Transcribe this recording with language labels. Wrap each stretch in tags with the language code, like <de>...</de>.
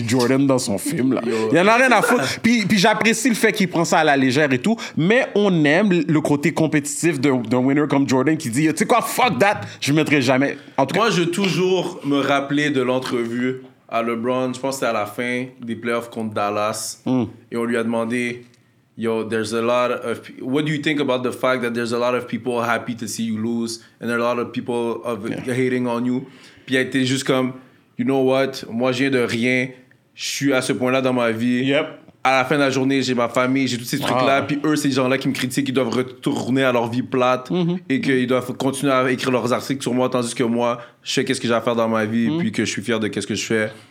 <fr>Jordan dans son film. Là. Il n'y en a rien à foutre. Puis j'apprécie le fait qu'il prend ça à la légère et tout. Mais on aime le côté compétitif d'un winner comme Jordan qui dit, tu sais quoi,</fr> <en>fuck that,</en> <fr>je ne mettrai jamais. En tout cas, moi, je veux toujours me rappeler de l'entrevue à LeBron. Je pense que c'était à la fin des playoffs contre Dallas. Mm. Et on lui a demandé...</fr> <en>Yo, there's a lot of... What do you think about the fact that there's a lot of people happy to see you lose and a lot of people of hating on you?</en> <fr>Puis il a été juste comme,</fr> <en>you know what?</en> <fr>Moi, je viens de rien. Je suis à ce point-là dans ma vie. Yep. À la fin de la journée, j'ai ma famille, j'ai tous ces trucs-là. Wow. Puis eux, ces gens-là qui me critiquent, ils doivent retourner à leur vie plate et qu'ils doivent continuer à écrire leurs articles sur moi tandis que moi, je sais qu'est-ce que j'ai à faire dans ma vie puis que je suis fier de qu'est-ce que je fais.</fr>